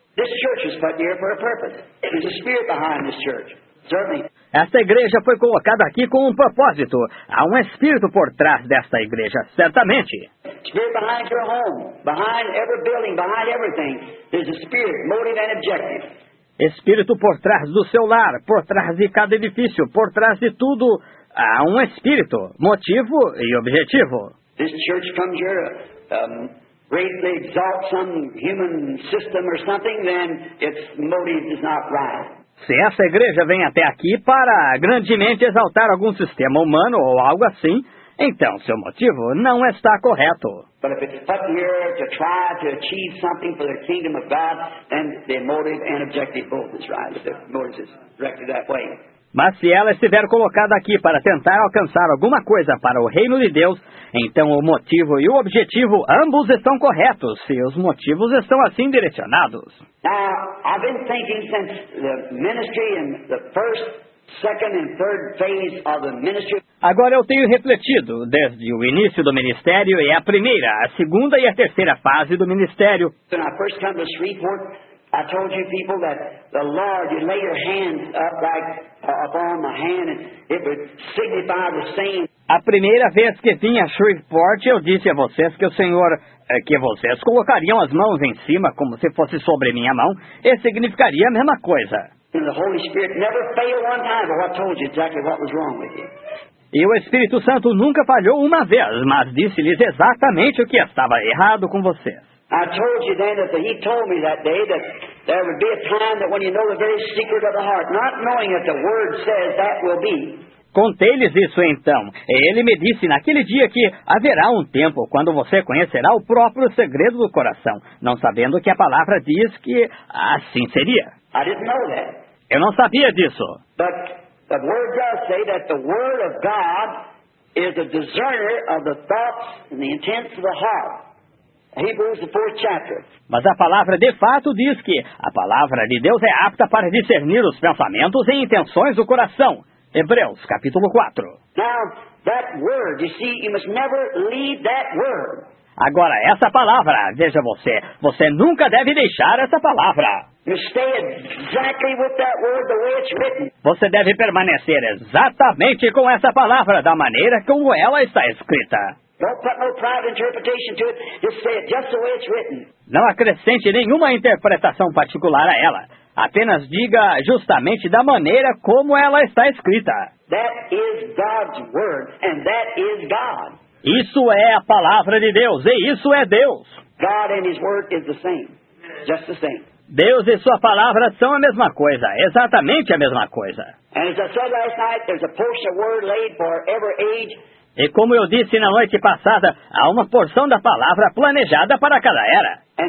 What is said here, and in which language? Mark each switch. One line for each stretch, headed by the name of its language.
English: This church is put here for a purpose. There's a spirit behind this church. Certainly.
Portuguese: Esta igreja foi colocada aqui com um propósito. Há um espírito por trás desta igreja, certamente.
English: Spirit behind your home, behind every building, behind everything. There's a spirit, motive and objective.
Portuguese: Espírito por trás do seu lar, por trás de cada edifício, por trás de tudo, há um espírito, motivo e objetivo.
English: This church comes here greatly exalt some human system or something, then its motive is not right.
Portuguese: Se essa igreja vem até aqui para grandemente exaltar algum sistema humano ou algo assim, então seu motivo não está correto.
English: But if it's put here to try to achieve something for the kingdom of God, then the motive and objective both is right. The motive is directed that way.
Portuguese: Mas se ela estiver colocada aqui para tentar alcançar alguma coisa para o reino de Deus, então o motivo e o objetivo ambos estão corretos, se os motivos estão assim direcionados.
English: Now, I've been thinking since the ministry and the first, second and third phase of the ministry.
Portuguese: Agora eu tenho refletido desde o início do ministério e a primeira, a segunda e a terceira fase do ministério.
English: When I first come to Shreveport, I told you people that the Lord, you lay your hands up like upon my hand, and it would signify the same.
Portuguese: A primeira vez que vim a Shreveport, eu disse a vocês que o Senhor, que vocês colocariam as mãos em cima como se fosse sobre minha mão, e significaria a mesma coisa.
English: And the Holy Spirit never failed one time, but I told you exactly what was wrong with you.
Portuguese: E o Espírito Santo nunca falhou uma vez, mas disse-lhes exatamente o que estava errado com vocês.
English: I told you then that he told me that day that there would be a time that when you know the very secret of the heart, not knowing that the word says that will be.
Portuguese: Contei-lhes isso então. Ele me disse naquele dia que haverá um tempo quando você conhecerá o próprio segredo do coração, não sabendo que a palavra diz que assim seria.
English: I didn't know that.
Portuguese: Eu não sabia disso.
English: But the word does say that the word of God is a discerner of the thoughts and the intents of the heart. Hebrews, the fourth chapter.
Portuguese: Mas a palavra de fato diz que a palavra de Deus é apta para discernir os pensamentos e intenções do coração. Hebreus, capítulo 4.
English: Now, that word, you see, you must never leave that word.
Portuguese: Agora, essa palavra, veja você nunca deve deixar essa palavra.
English: You stay exactly with that word the way it's written.
Portuguese: Você deve permanecer exatamente com essa palavra da maneira como ela está escrita.
English: Don't put no private interpretation to it. Just say it just the way it's written.
Portuguese: Não acrescente nenhuma interpretação particular a ela. Apenas diga justamente da maneira como ela está escrita.
English: That is God's word, and that is God.
Portuguese: Isso é a palavra de Deus, e isso é Deus.
English: God and His word is the same. Just the same.
Portuguese: Deus e sua palavra são a mesma coisa, exatamente a mesma coisa.
English: And as I said last night, there's a portion of word laid for every age.
Portuguese: E como eu disse na noite passada, há uma porção da palavra planejada para cada era.